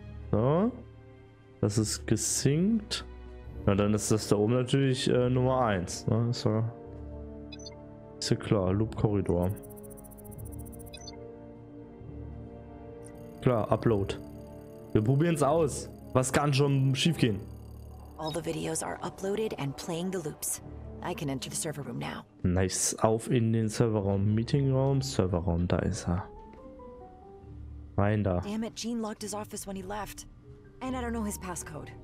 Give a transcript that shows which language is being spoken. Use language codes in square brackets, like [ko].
[de] So. Das ist gesynkt. Na, dann ist das da oben natürlich Nummer 1. Ne? So. Ist ja klar, Loop-Korridor. Klar, Upload. Wir probieren es aus. Was kann schon schief gehen? [en] All the videos are uploaded and playing the loops. I can enter the server room now. Nice. [de] Auf in den Serverraum. Meetingraum, Serverraum, da ist er. Rein da. [en] Damn it, Gene locked his office when he left. And I don't know his passcode.